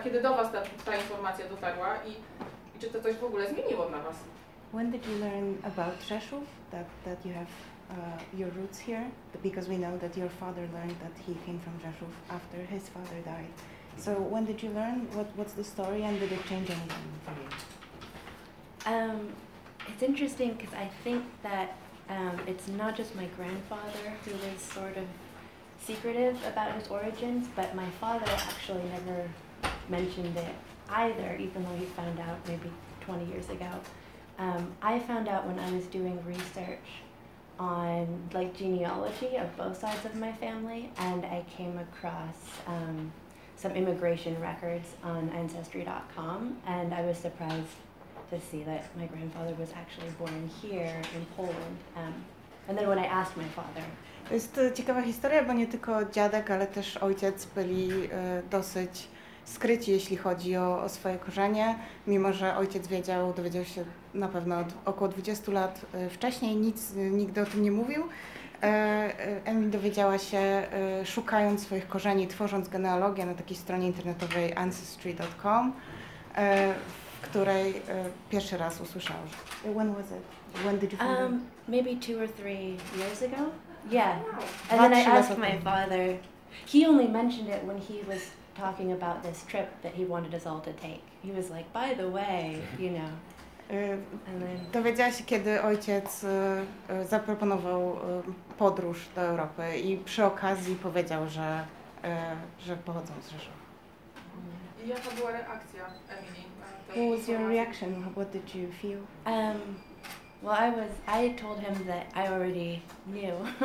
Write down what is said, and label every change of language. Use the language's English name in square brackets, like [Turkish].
[Polish] kiedy do was ta informacja dotarła i czy to coś w ogóle zmieniło dla was? [English] When did you learn about Rzeszów, that you have your roots here? Because we know that your father learned that he came from Rzeszów after his father died. So when did you learn? What's the story, and did it change anything for you? It's interesting because I think that it's not just my grandfather who was sort of secretive about his origins, but my father actually never mentioned it either, even though he found out maybe 20 years ago. I found out when I was doing research on like genealogy of both sides of my family, and I came across some immigration records on Ancestry.com, and I was surprised to see that my grandfather was actually born here in Poland. And then when I asked my father. [Polish] To jest to ciekawa historia, bo nie tylko dziadek, ale też ojciec byli dosyć skryci, jeśli chodzi o swoje korzenie, mimo że ojciec dowiedział się na pewno od około 20 lat wcześniej, nigdy o tym nie mówił. Emily dowiedziała się, szukając swoich korzeni, tworząc genealogię na takiej stronie internetowej Ancestry.com, w której pierwszy raz usłyszała. [English] When was it? When did you find it? Maybe 2 or 3 years ago? Yeah. And then I asked my father. He only mentioned it when he was talking about this trip that he wanted us all to take. He was like, by the way, you know. [Polish] Dowiedziała się, kiedy ojciec zaproponował podróż do Europy i przy okazji powiedział, że pochodzą z Rzeszów. Jaka była reakcja Emily? [English] What was your reaction? What did you feel? Well, I told him that I already knew.